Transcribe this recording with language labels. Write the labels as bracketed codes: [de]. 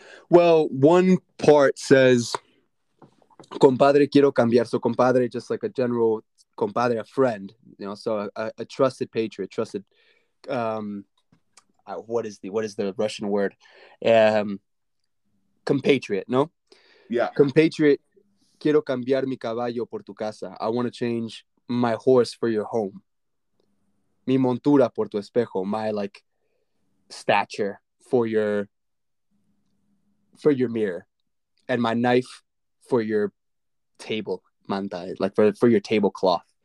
[en] Well, one part says, compadre, [es] quiero cambiar. [en] So compadre, just like a general compadre, a friend, you know, so a trusted patriot, trusted, what is the Russian word? Compatriot, no? Yeah. [es] Compatriot, quiero cambiar mi caballo por tu casa. [en] I want to change my horse for your home. [es] Mi montura por tu espejo. [en] My, like, stature for your mirror. And my knife for your table, manta, like for your tablecloth.